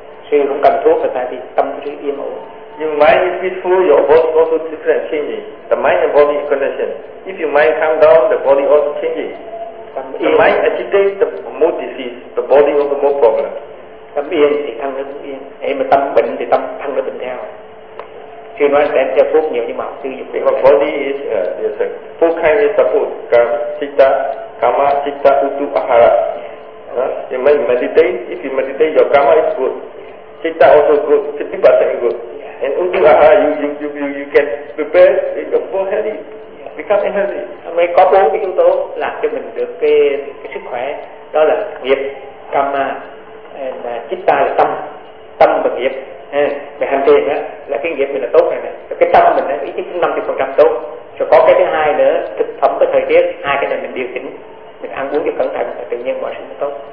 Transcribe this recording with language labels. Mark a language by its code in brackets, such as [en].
[vi] Suy không cần thuốc và tại vì tâm của mình yên ổn. [en] Your mind is peaceful, your body also different changing. The mind and body connection. If your mind calm down, the body also changing. The mind agitates, the mood disease, the body also more problem. [vi] Tâm yên thì thân nó cũng yên. Ê, mà tâm bệnh thì tâm thân nó bệnh theo. Chưa nói đến theo phúc nhiều nhưng mà sư dụng để hoặc [en] body is there's a four kind of support citta karma citta utu ahara you may meditate if you meditate your karma is good citta also good citta bata is good and utu ahara you can prepare your four healthy become healthy [vi] may có bốn cái yếu tố làm cho mình được cái sức khỏe đó là nghiệp karma and citta là tâm và nghiệp. Về hành thiền á là cái nghiệp mình là tốt này nè, cái tâm mình á ít nhất 50% tốt. Rồi có cái thứ hai nữa, thực phẩm với thời tiết, hai cái này mình điều chỉnh, mình ăn uống cho cẩn thận và tự nhiên mọi sự tốt.